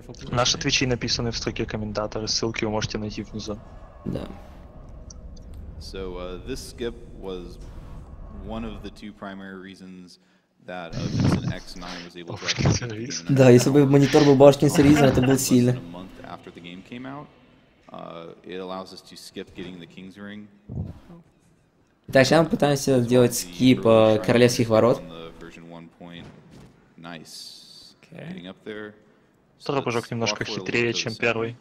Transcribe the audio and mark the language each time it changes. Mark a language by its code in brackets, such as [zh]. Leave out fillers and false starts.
[ru] Наши твичи написаны в строке комментатора, ссылки вы можете найти внизу. Да. [en] So, this skip was one of the two primary reasons. [ru] Да, если бы монитор был Башкин Сервизом, это было сильно. Так, сейчас мы пытаемся сделать скип Королевских Ворот. Второй прыжок немножко хитрее, чем первый.